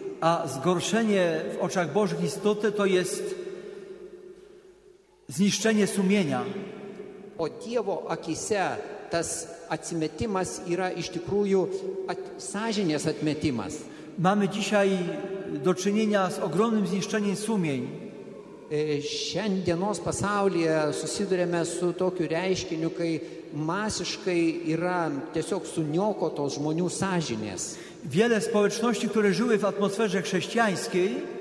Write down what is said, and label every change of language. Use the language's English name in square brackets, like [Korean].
[Polish] A zgorszenie w oczach Bożych istoty to jest zniszczenie sumienia. [Lithuanian] O Dievo akise tas atsimetimas yra iš tikrųjų sąžinės atmetimas. [Polish] Mamy dzisiaj do czynienia z ogromnym zniszczeniem sumień. [Lithuanian] Šiandienos pasaulyje susiduriame su tokiu reiškiniu, kai masiškai yra tiesiog suniokotos žmonių sąžinės. [Polish] Wiele społeczności, które żyły w atmosferze chrześcijańskiej,